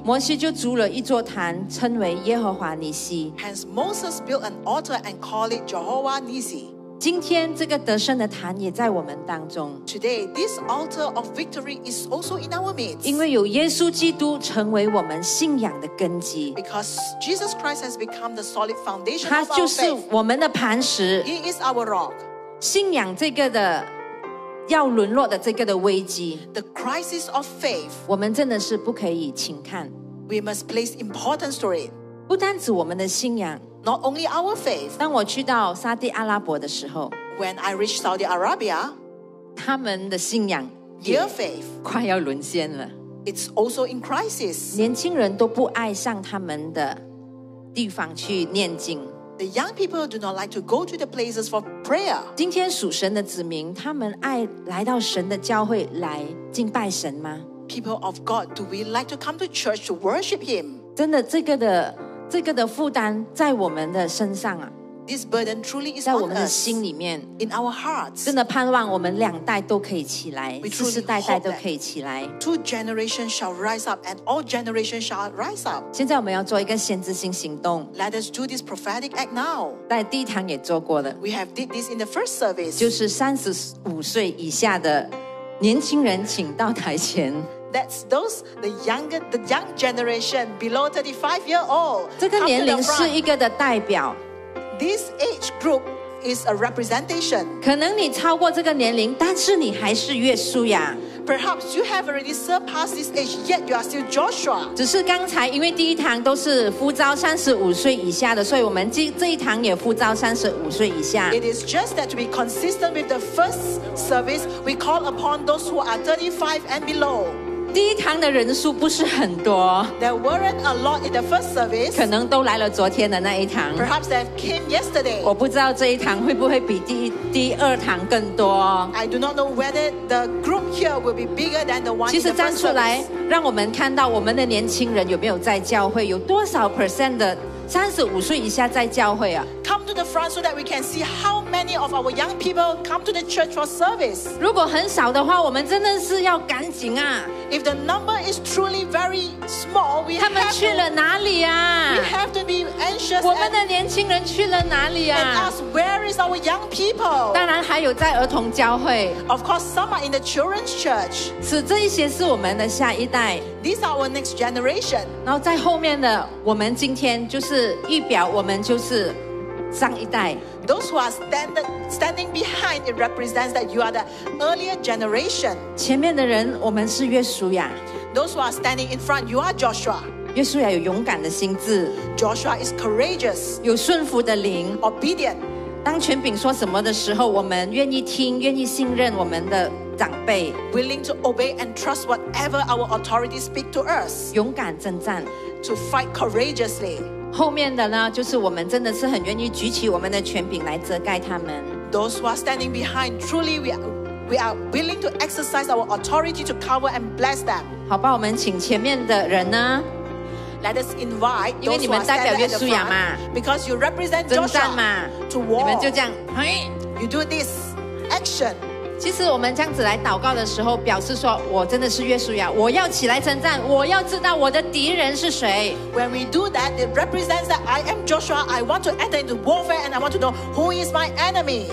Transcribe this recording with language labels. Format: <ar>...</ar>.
<zh>摩西就筑了一座坛，称为耶和华尼西。</zh> <en>Hence Moses built an altar and called it Jehovah Nisi.</en> <zh>今天这个得胜的坛也在我们当中。</zh> <en>Today this altar of victory is also in our midst.</en> <zh>因为有耶稣基督成为我们信仰的根基。</zh> <en>Because Jesus Christ has become the solid foundation of our faith.</en> <zh>他就是我们的磐石。</zh> <en>He is our rock.</en> <zh>信仰这个的要沦落的这个的危机</zh> <en>，the crisis of faith，</en> <zh>我们真的是不可以轻看。</zh> <en>We must place importance to it。</en> <zh>不单指我们的信仰</zh> <en>，not only our faith。</en> <zh>当我去到沙特阿拉伯的时候</zh> <en>，when I reached Saudi Arabia，</en> <zh>他们的信仰</zh> <en>，their faith，</en> <zh>快要沦陷了。</zh> <en>It's also in crisis。</en> <zh>年轻人都不爱上他们的地方去念经。</zh> <en>The young people do not like to go to the places for prayer.</en> <zh>今天属神的子民，他们爱来到神的教会来敬拜神吗？</zh> <en>people of God, do we like to come to church to worship Him?</en> <zh>真的，这个的负担在我们的身上啊。</zh> <en>This burden truly is</en> <zh>在我们的心里面。</zh> <en>In our hearts,</en> <zh>真的盼望我们两代都可以起来，世世代代都可以起来。</zh> <en>Two generations shall rise up, and all generations shall rise up.</en> <zh>现在我们要做一个先知性行动。</zh> <en>Let us do this prophetic act now.</en> <zh>在第一堂也做过了。</zh> <en>We have did this in the first service.</en> <zh>就是35岁以下的年轻人，请到台前。</zh> <en>That's those the young generation below 35 years old.</en> <zh>这个年龄是一个的代表。</zh> <en>This age group is a representation.</en> <zh>可能你超过这个年龄，但是你还是约书亚。</zh> <en>Perhaps you have already surpassed this age, yet you are still Joshua.</en> <zh>只是刚才因为第一堂都是呼召35岁以下的，所以我们这一堂也呼召35岁以下。</zh> <en>It is just that to be consistent with the first service, we call upon those who are 35 and below.</en> <zh>第一堂的人数不是很多</zh> <en>There weren't a lot in the first service</en> <zh>可能都来了昨天的那一堂</zh> <en>Perhaps they came yesterday</en> <zh>我不知道这一堂会不会比第二堂更多</zh> <en>I do not know whether the group here will be bigger than the one in the first service</en> <zh>其实站出来让我们看到我们的年轻人有没有在教会有多少 percent 的35岁以下在教会啊</zh> <en>Come to the front so that we can see how many of our young people come to the church for service.</en> <zh>如果很少的话，我们真的是要赶紧啊。</zh> <en>If the number is truly very small, we have to.</en> <zh>他们去了哪里啊？</zh> <en>We have to be anxious.</en> <zh>我们的年轻人去了哪里啊？</zh> <en>And ask where is our young people.</en> <zh>当然还有在儿童教会。</zh> <en>Of course, some are in the children's church.</en> <zh>是这一些是我们的下一代。</zh> <en>These are our next generation.</en> <zh>然后在后面的，我们今天就是预表，我们就是上一代。</zh> <en>Those who are standing behind, it represents that you are the earlier generation.</en> <zh>前面的人，我们是约书亚。</zh> <en>Those who are standing in front, you are Joshua.</en> <zh>约书亚有勇敢的心智。</zh> <en>Joshua is courageous.</en> <zh>有顺服的灵。</zh> <en>Obedient.</en> <zh>当权柄说什么的时候，我们愿意听，愿意信任我们的。长辈</zh> <en>willing to obey and trust whatever our authorities speak to us</en> <zh>勇敢征战</zh> <en>to fight courageously</en> <zh>后面的呢就是我们真的是很愿意举起我们的权柄来遮盖他们</zh> <en>those who are standing behind truly we are willing to exercise our authority to cover and bless them</en> <zh>好吧我们请前面的人呢</zh> <en>let us invite</en> <zh>因为你们代表约书亚嘛</zh> <en>because you represent Joshua to war</en> <zh>你们就这样</zh> <en>you do this action</en> <zh>其实我们这样子来祷告的时候表示说我真的是约书亚我要起来征战我要知道我的敌人是谁</zh> <en>When we do that it represents that I am Joshua I want to enter into warfare and I want to know who is my enemy</en>